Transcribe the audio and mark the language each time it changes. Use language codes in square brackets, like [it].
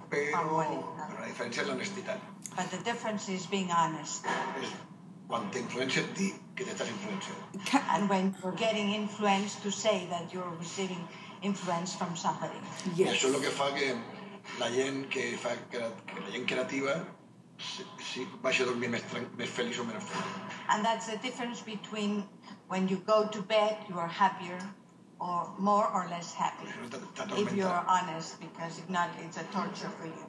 [ca] Pero la diferència és l'honestitat. [en] But the difference is being honest. [ca] És quan t'influencies, dir que t'estàs influenciant. [en] And when you're getting influence, to say that you're receiving influence from somebody. Yes. [ca] I això és el que fa que la gent que fa que la gent creativa si vaig a dormir més feliç o menys feliç. [en] And that's the difference between when you go to bed, you are happier or more or less happy. If you're honest, because if not, it's a torture for you.